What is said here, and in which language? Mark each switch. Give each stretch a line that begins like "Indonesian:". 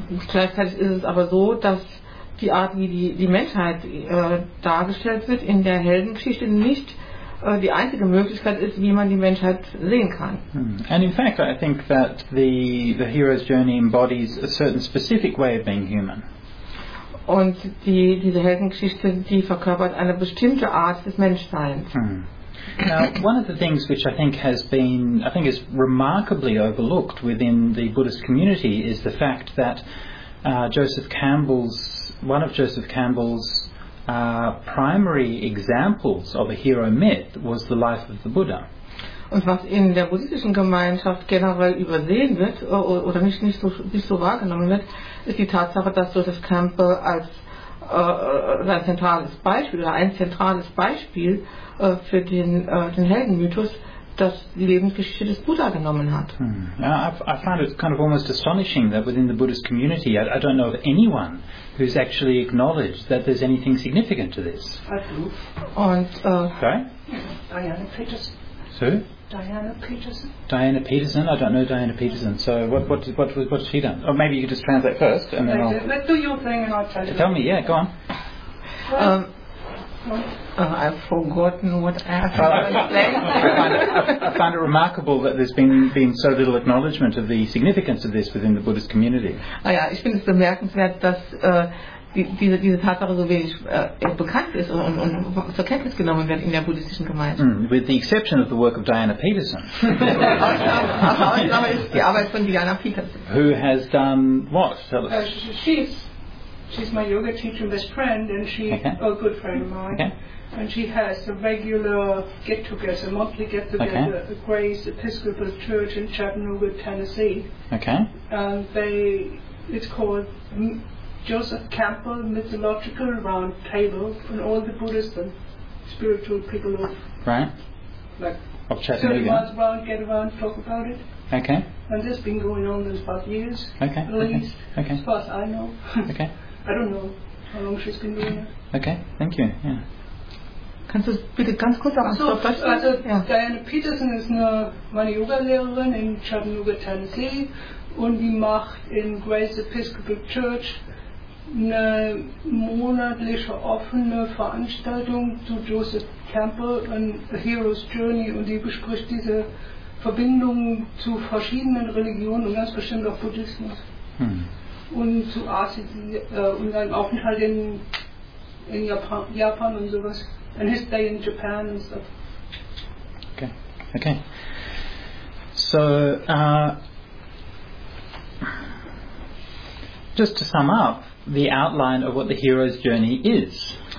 German: Gleichzeitig ist es aber so, dass die Art, wie die Menschheit dargestellt wird in der Heldengeschichte, nicht die einzige Möglichkeit ist, wie man die Menschheit sehen kann.
English: And in fact, I think that the hero's journey embodies a certain specific way of being human.
German: Und diese Heldengeschichte, die verkörpert eine bestimmte Art des Menschseins.
English: Now, one of the things which I think is remarkably overlooked within the Buddhist community is the fact that one of Joseph Campbell's primary examples of a hero myth was the life of the Buddha.
German: Und was in der buddhistischen Gemeinschaft generell übersehen wird oder nicht so wahrgenommen wird, ist die Tatsache, dass Joseph Campbell als ein zentrales Beispiel für den Heldenmythos, das die Lebensgeschichte des Buddha genommen hat.
English: I find it kind of almost astonishing that within the Buddhist community, I don't know of anyone who's actually acknowledged that there's anything significant to this.
German: Und,
English: Diana Peterson. I don't know Diana Peterson. So what's she done? Or maybe you could just translate first, and then I'll. Let's do your thing, and I'll tell you. Tell me, yeah, go on. I've forgotten what I was saying. I find it remarkable that there's been so little acknowledgement of the significance of this within the Buddhist community.
German: Ah ja, ich finde es bemerkenswert, dass diese Tatsache so wenig bekannt ist und zur Kenntnis genommen wird in der buddhistischen Gemeinde.
English: With the exception of the work of Diana Peterson.
German: Ausnahme ist die Arbeit von Diana Peterson.
English: Who has done what? Tell us. She's my yoga teacher best friend, and she's a good friend of mine. Okay. And she has a regular get-together, monthly get-together at the Grace Episcopal Church in Chattanooga, Tennessee. Okay. And it's called Joseph Campbell Mythological Round Table, and all the Buddhist and spiritual people of of Chattanooga. 30 miles around, get around, talk about it. Okay. And this has been going on this about years, at least, as far as I know. Okay. I don't know how long she's been doing it. Okay, thank you. Yeah.
German: Kannst du bitte ganz kurz auch so, also ja. Diana Peterson ist meine Yoga-Lehrerin in Chattanooga, Tennessee, und die macht in Grace Episcopal Church eine monatliche offene Veranstaltung zu Joseph Campbell und The Hero's Journey, und die bespricht diese Verbindung zu verschiedenen Religionen und ganz bestimmt auch Buddhismus. Und zu Asien, und seinem Aufenthalt in Japan und sowas.
English: And his stay in Japan and stuff. Okay. So, just to sum up the outline of what the hero's journey is.